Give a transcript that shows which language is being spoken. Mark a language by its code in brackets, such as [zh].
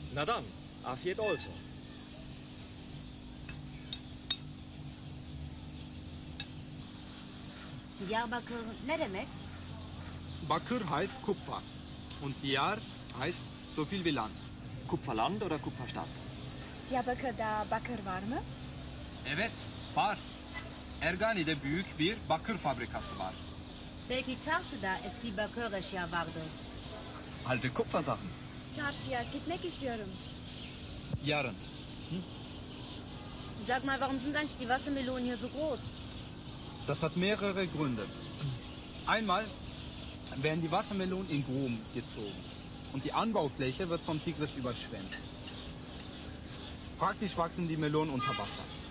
[de] Na dann, auf jeden Fall. [tr] Diyarbakır ne demek? [de] Bakır heißt Kupfer. Und Diyar heißt so viel wie Land. Kupferland oder Kupferstadt? [tr] Diyarbakır da Bakır var mı? Evet, var. Ergani'de büyük bir bakır fabrikası var. Belki çarşıda eski bakır eşya vardır. [de] Alte Kupfersachen. [tr] Çarşıya gitmek istiyorum. Yarın. [de] Sag mal, warum sind eigentlich die Wassermelonen hier so groß? Das hat mehrere Gründe. Einmal werden die Wassermelonen in Gruben gezogen. Und die Anbaufläche wird vom Tigris überschwemmt. Praktisch wachsen die Melonen unter Wasser.